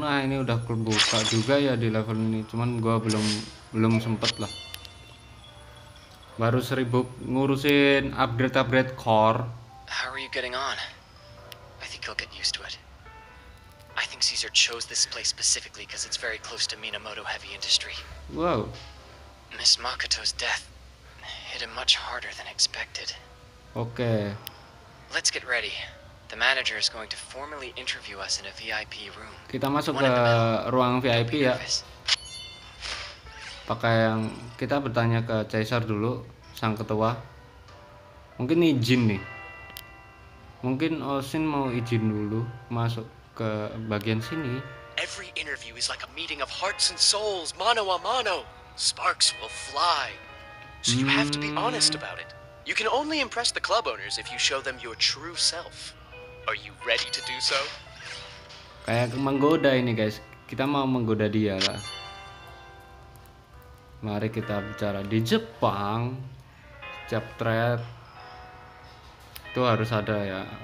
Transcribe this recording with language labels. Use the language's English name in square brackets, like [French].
[Indonesian] Nah, ini udah kebuka juga ya di level ini. Cuman gua belum sempet lah. Baru 1000 ngurusin upgrade core. [English] How are you getting on? I think he'll get used to it. I think Caesar chose this place specifically because it's very close to Minamoto Heavy Industry. Wow. Miss Makoto's death hit him much harder than expected. Okay. Let's get ready. The manager is going to formally interview us in a VIP room. [Indonesian] Kita masuk ke ruang VIP ya. Pakai yang kita bertanya ke Caesar dulu, sang ketua. Mungkin izin nih. Mungkin Osin mau izin dulu masuk ke bagian sini. [English] Every interview is like a meeting of hearts and souls, mano a mano. Sparks will fly. So you have to be honest about it. You can only impress the club owners if you show them your true self. Are you ready to do so? [Indonesian] Kayak menggoda ini, guys. Kita mau menggoda dia lah. Mari kita bicara di Jepang. Setiap thread itu harus ada ya.